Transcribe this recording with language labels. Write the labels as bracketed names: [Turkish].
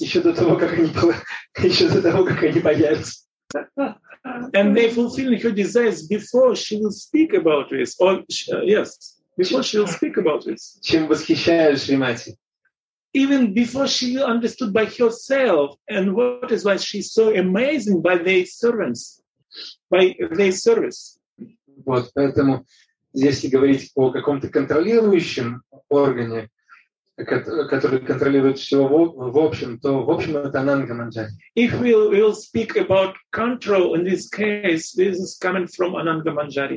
[Russian] Еще до того, как они появятся. [English] And they fulfilling her desires before she will speak about this. Or, yes, before she will speak about this. [Russian] Чем восхищаешь Шримати? [English] Even before she understood by herself, and what is why she's so amazing by their servants, by their service. [Russian] Вот, поэтому, если говорить о каком-то контролирующем органе, который контролирует все в общем, то в общем это Ананга Манджари. [English] If we will speak about control in this case, this is coming from Ананга Манджари.